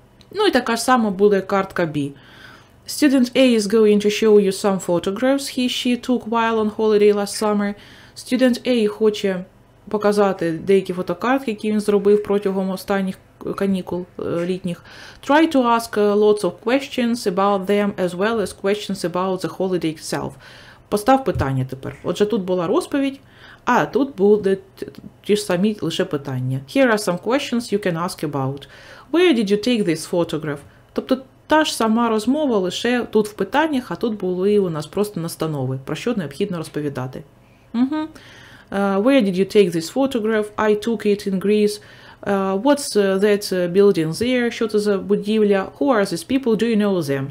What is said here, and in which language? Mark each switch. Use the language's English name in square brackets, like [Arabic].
[Ukrainian] Ну і така ж сама буде картка B. [English] Student A is going to show you some photographs he/she took while on holiday last summer. [Ukrainian] Student A хоче показати деякі фотокартки, які він зробив протягом останніх канікул літніх. [English] Try to ask lots of questions about them as well as questions about the holiday itself. [Ukrainian] Постав питання тепер. Отже, тут була розповідь, а тут буде ті ж самі лише питання. [English] Here are some questions you can ask about. Where did you take this photograph? [Ukrainian] Тобто та ж сама розмова лише тут в питаннях, а тут були у нас просто настанови, про що необхідно розповідати. [English] Where did you take this photograph? I took it in Greece. What's that building there? [Ukrainian] Що це за будівля? [English] Who are these people? Do you know them?